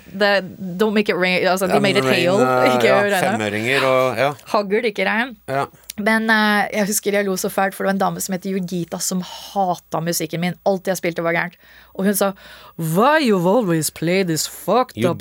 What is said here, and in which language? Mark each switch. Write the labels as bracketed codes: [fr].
[en] The, don't make it rain, altså, they made it hail. [no] Femøringer og, ja. Hagger det ikke regn. Ja. Men jeg husker jeg lo så fælt, for det var en dame som heter Jurgita, som hatet musikken min. Alt jeg spilte var gærent. Og hun sa, [en] why you always play this fucked up